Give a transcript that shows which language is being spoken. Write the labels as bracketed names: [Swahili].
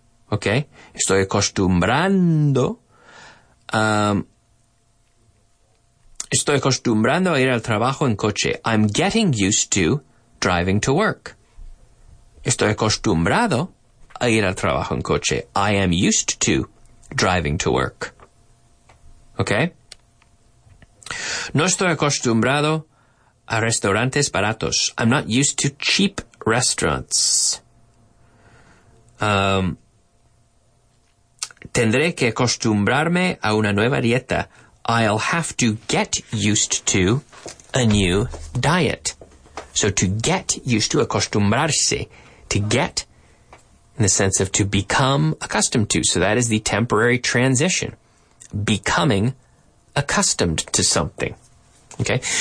[Spanish] Okay, estoy acostumbrando. Estoy acostumbrando a ir al trabajo en coche. [English] I'm getting used to driving to work. [Spanish] Estoy acostumbrado a ir al trabajo en coche. [English] I am used to driving to work. Okay? [Spanish] No estoy acostumbrado a restaurantes baratos. [English] I'm not used to cheap restaurants. [Spanish] Tendré que acostumbrarme a una nueva dieta. [English] I'll have to get used to a new diet. So to get used to, [Spanish] acostumbrarse, [English] to get in the sense of to become accustomed to. So that is the temporary transition, becoming accustomed to something. Okay.